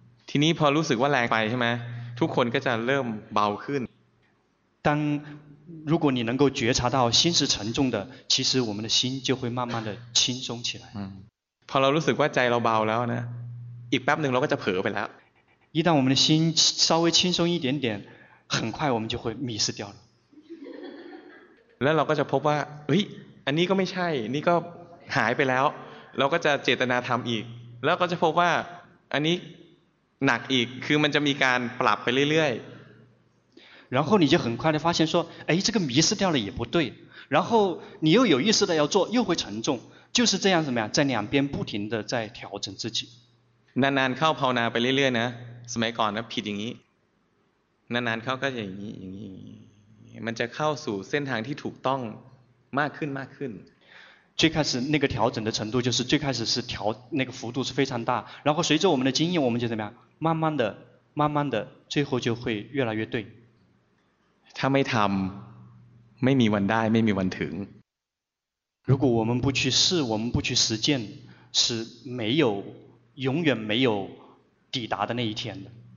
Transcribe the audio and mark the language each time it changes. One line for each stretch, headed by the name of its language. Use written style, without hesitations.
Thai: ทีนี้พอรู้สึกว่าแรงไปใช่ไหมทุกคนก็จะเริ่มเบาขึ้น
Chinese: 当如果你能够觉察到心是沉重的其实我们的心就会慢慢的轻松起来
Thai: พอเรารู้สึกว่าใจเราเบาแล้วนะอีกแป๊บนึงเราก็จะเผลอไปแล้ว
Chinese: 一旦我们的心稍微轻松一点点很快我们就会迷失掉了
Thai: แล้วเราก็จะพบว่าเฮ้ยอันนี้ก็ไม่ใช่นี่ก็หายไปแล้วเราก็จะเจตนาทำอีกแล้วก็จะพบว่าอันนี้หนักอีกคือมันจะมีการปรับไปเรื่อย
Chinese: ๆ然后你就很快地发现说哎这个迷失掉了也不对然后你又有意识的要做又会沉重就是这样怎么样在两边不停地在调整自己
Thai: นานๆเข้าภาวนาไปเรื่อยๆนะสมัยก่อนนะผิดอย่างนี้นานๆเขาก็อย่างนี้มันจะเข้าสู่เส้นทางที่ถูกต้องมากขึ้นมากขึ้น
Chinese: 最开始那个调整的程度就是最开始是调那个幅度是非常大然后随着我们的经验我们就怎么样慢慢的最后就会越来越对
Thai: ถ้าไม่ทำไม่มีวันได้ไม่มีวันถึง
Chinese: 如果我们不去试我们不去实践是没有永远没有抵达的那一天的